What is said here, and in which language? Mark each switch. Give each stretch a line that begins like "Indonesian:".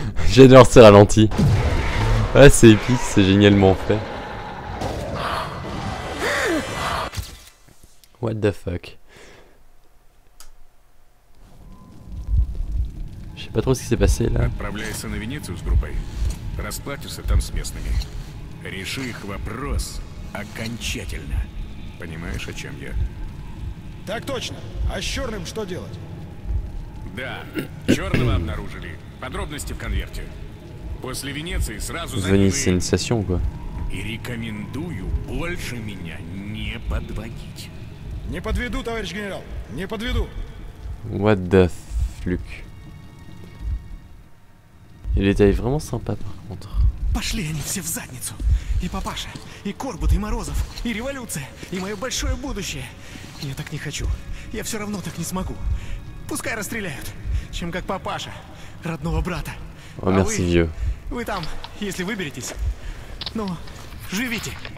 French: J'adore ces ralentis. Ouais, c'est épique, c'est génialement fait.
English: What the fuck?
French: Je sais pas trop ce qui s'est passé là.
Russian: Отправляйся на Венецию с группой. Расплатишься там с местными. Реши их вопрос окончательно. Понимаешь, о чем я? Так точно. А с черным что делать? Да, черного обнаружили. Подробности в конверте. После Венеции сразу занимаюсь. И рекомендую больше меня не подводить. Не подведу, товарищ генерал. Не подведу.
English: What the fuck?
French: Il était vraiment sympa, par contre.
Russian: Пошли они все в задницу. И папаша, и Корбут, и Морозов, и революция, и мое большое будущее. Я так не хочу. Я все равно так не смогу. Пускай расстреляют, чем как папаша, родного брата. О, а merci, вы, вы там, если выберетесь, ну, живите.